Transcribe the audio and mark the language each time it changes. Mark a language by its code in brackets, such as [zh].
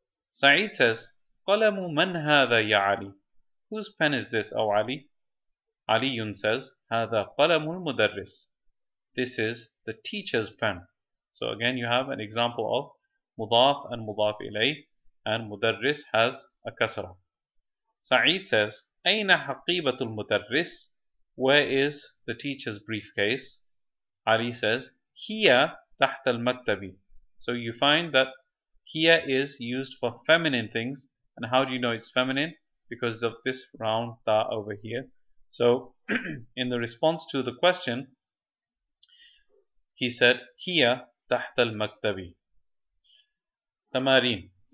[en] Sa'id says, [ar] qalamu man hadha ya Ali? [en] Whose pen is this, O Ali? Ali Yun says, [ar] هذا قلم المدرس. [en] This is the teacher's pen. So again, you have an example of مضاف and مضاف إليه, and مدرس has a كسرة. Sa'id says, [ar] أين حقيبة المدرس? [en] Where is the teacher's briefcase? Ali says, [ar] هي تحت المكتب. [en] So you find that هي is used for feminine things. And how do you know it's feminine? Because of this round ta over here. So, in the response to the question, he said, [ar] Hiya taht al-maktabi. [en] Tamarin.